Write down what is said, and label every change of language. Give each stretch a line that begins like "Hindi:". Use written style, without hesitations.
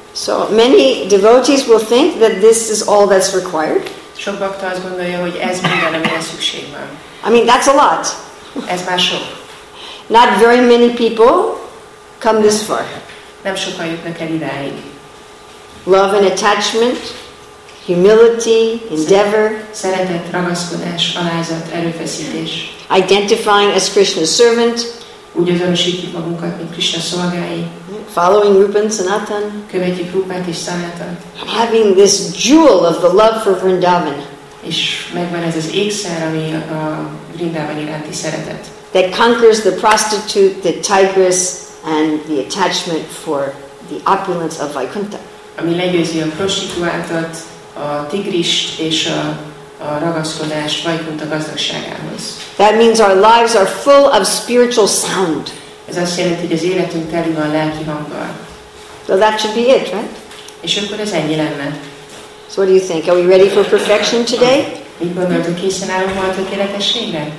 English: So many devotees will think that this is all that's required.
Hungarian: Sok bakta azt gondolja, hogy ez minden, amire szükség van.
English: I mean, that's a lot.
Hungarian: Ez már sok.
English: Not very many people come this far.
Hungarian: Nem sokan jutnak el idáig.
English: Love and attachment, humility, endeavor.
Hungarian: Szeretet, ragaszkodás, alázat, erőfeszítés.
English: Identifying as Krishna's servant.
Hungarian: Úgy azonosítjuk magunkat, mint Krishna szolgái.
English: Following Rupa and Sanatan.
Hungarian: Követjük Rupát és Sanatan.
English: Having this jewel of the love for Vrindavan.
Hungarian: És megvan ez az ékszer, ami a Vrindavan iránti szeretet.
English: That conquers the prostitute, the tigress, and the attachment for the opulence of Vaikuntha.
Hungarian: Ami legyőzi a prostituáltat, a tigris és a ragaszkodás Vaikuntha gazdagságához.
English: That means our lives are full of spiritual sound.
Hungarian: Ez azt jelenti, hogy az életünk teli van lelki hanggal.
English: So that should be it, right?
Hungarian: És akkor ez ennyi lenne.
English: So what do you think? Are we ready for perfection today?
Hungarian: Mit gondoltok, készen állunk majd a tökéletességre?